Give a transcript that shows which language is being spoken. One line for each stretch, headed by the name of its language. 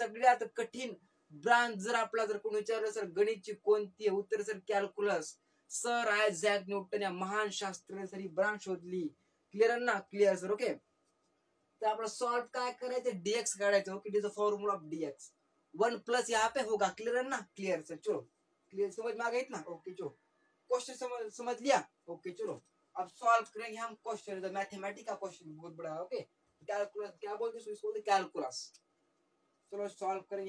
Marathi: सगळ्यात कठीण ब्रांच जर आपला जर कोणी विचारलं सर गणिताची कोणती आहे, उत्तर sir calculus. Sir exact Newton या महान शास्त्रज्ञ सर ही ब्रांच शोधली। क्लियर ना? Clear sir. ओके, तर आपण सॉल्व काय करायचं? डीएक्स काढायचं, okay.
English: is a formula of dx,
Hindi: 1 plus यहाँ पे होगा। क्लियर है ना? Clear sir. चलो, क्लियर समझ में आ गई ना? ओके, चलो क्वेश्चन समझ लिया? ओके, चलो अब सॉल्व करेंगे हम क्वेश्चन। मैथमेटिक्स का क्वेश्चन बहुत बड़ा है, ओके। कैलकुलस क्या बोलते हैं इसको? बोलते कैलकुलस। चलो सॉल्व करेंगे।